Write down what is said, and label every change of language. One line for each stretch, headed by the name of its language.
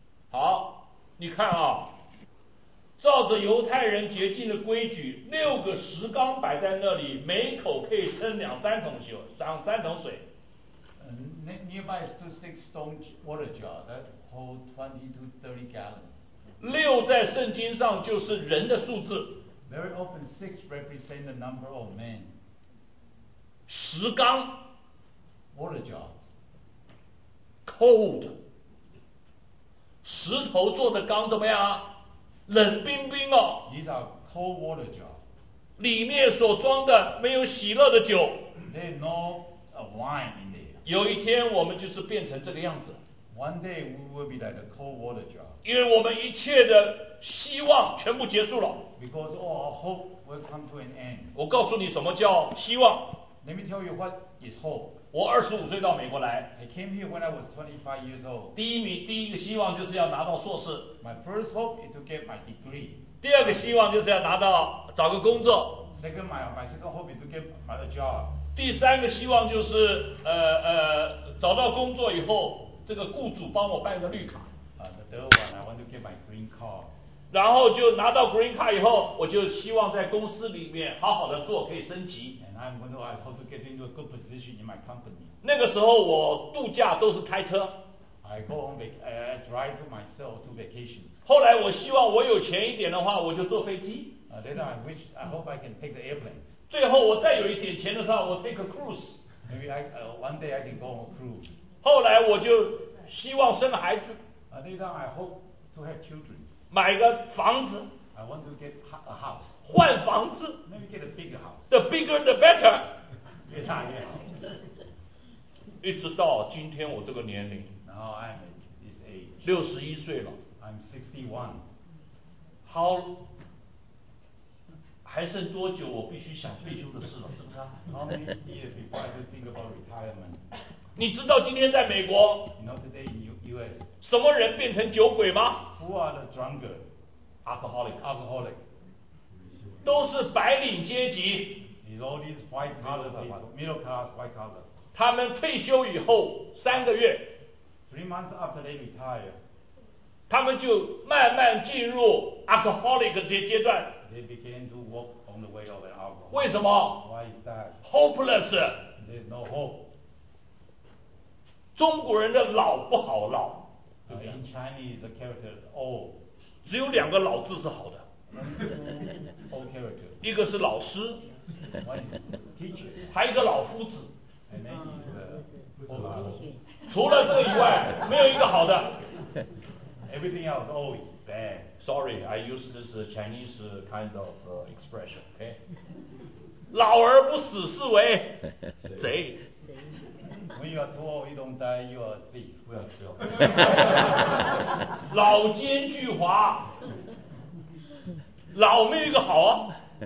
Chinese: 好，你看啊，照着犹太人洁净的规矩，六个石缸摆在那里，每口可以称两三桶酒，三桶水。
English: Nearby is 2-6 stone water jar that hold 20 to 30 gallons.
Chinese: 六在圣经上就是人的数字。
English: Very often six represent the number of men.
Chinese: 石缸
English: ，water jar.
Chinese: Cold， 石头做的缸怎么样？冷冰冰哦。
English: These are cold water jar.
Chinese: 里面所装的没有喜乐的酒。
English: There's no wine in there.
Chinese: 有一天我们就是变成这个样子。
English: One day we will be like a cold water jar.
Chinese: 因为我们一切的希望全部结束了。
English: Because all our hope will come to an end.
Chinese: 我告诉你什么叫希望。
English: Let me tell you what is hope.
Chinese: 我二十五岁到美国来。
English: I came here when I was 25 years old.
Chinese: 第一个希望就是要拿到硕士。
English: My first hope is to get my degree.
Chinese: 第二个希望就是要拿到找个工作。
English: My second hope is to get my job.
Chinese: 第三个希望就是找到工作以后，这个雇主帮我办个绿卡。
English: The third one, I want to get my green card.
Chinese: 然后就拿到 green card 以后，我就希望在公司里面好好的做，可以升级。
English: I'm going to ask how to get into a good position in my company.
Chinese: 那个时候我度假都是开车。
English: I go on drive to myself to vacations.
Chinese: 后来我希望我有钱一点的话，我就坐飞机。
English: Then I hope I can take the airplanes.
Chinese: 最后我再有一点钱的时候，我
English: take a cruise. Maybe one day I can go on a cruise.
Chinese: 后来我就希望生孩子。
English: Then I hope to have children.
Chinese: 买个房子。
English: I want to get a house.
Chinese: 换房子。
English: Maybe get a bigger house. The bigger, the better.
Chinese: 越大越好。一直到今天我这个年龄。
English: Now I'm at this age.
Chinese: 61岁了。
English: I'm 61.
Chinese: 好，还剩多久我必须想退休的事了，是不是啊
English: ？How many years before I can think about retirement?
Chinese: 你知道今天在美国
English: ？You know today in U.S.
Chinese: 什么人变成酒鬼吗
English: ？Who are the drunkard?
Chinese: Alcoholic， 都是白领阶级。
English: It's all these white collar people, middle class white collar。
Chinese: 他们退休以后三个月
English: ，3 months after they retire，
Chinese: 他们就慢慢进入 alcoholic 的阶段。
English: They began to walk on the way of an alcohol.
Chinese: 为什么
English: ？Why is that? Hopeless. There's no hope.
Chinese: 中国人的老不好老。
English: In Chinese, the character old.
Chinese: 只有两个老字是好的。
English: Old character.
Chinese: 一个是老师。
English: One is teacher.
Chinese: 还有一个老夫子。
English: And then he's the old man.
Chinese: 除了这个以外，没有一个好的。
English: Everything else always bad. Sorry, I use this Chinese kind of expression.
Chinese: Okay. 老而不死是为贼。
English: When you are too old, you don't die. You are a thief.
Chinese: 不要不要。老奸巨猾。老没有一个好啊。